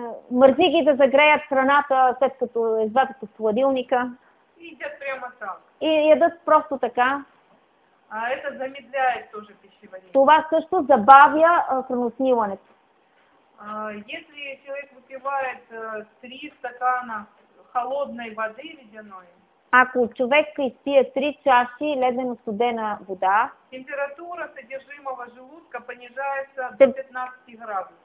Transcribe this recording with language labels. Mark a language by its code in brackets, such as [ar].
[bg] Мързи ги да загреят храната, след като извадят от хладилника. [ru] И едят прямо так. [bg] И едат просто така. [ru] А это замедляет тоже пищеварение. [bg] Това също забавя храносмилането. [ru] Если человек выпивает 3 стакана холодной воды ледяной, [bg] ако човек изпие 3 чаши ледено-студена вода, [ru] температура съдержимого желудка понижается до 15 градусов.